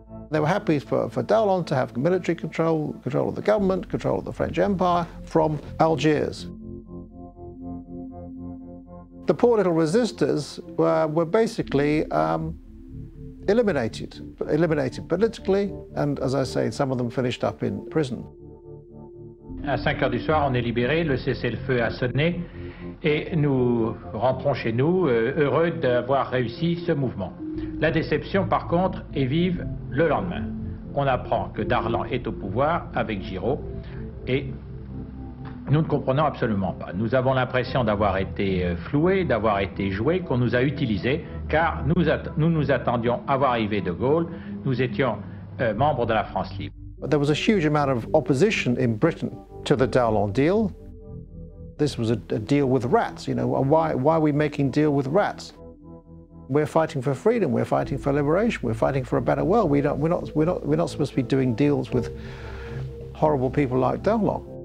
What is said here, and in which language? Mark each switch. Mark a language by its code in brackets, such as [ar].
[en] They were happy for Dallon to have military control, control of the government, control of the French Empire from Algiers. The poor little resistors were basically eliminated politically, and as I say, some of them finished up in prison. [fr] À 5 heures du soir, on est libéré, le cessez-le-feu a sonné, et nous rentrons chez nous, heureux d'avoir réussi ce mouvement. La déception, par contre, est vive le lendemain. On apprend que Darlan est au pouvoir avec Giraud et nous ne comprenons absolument pas. Nous avons l'impression d'avoir été floués, d'avoir été joués, qu'on nous a utilisés, car nous attendions à voir arriver de Gaulle. Nous étions membres de la France libre. [en] There was a huge amount of opposition in Britain to the Darlan deal. This was a deal with rats, you know. Why are we making deal with rats? We're fighting for freedom, we're fighting for liberation, we're fighting for a better world. We're not supposed to be doing deals with horrible people like Darlan.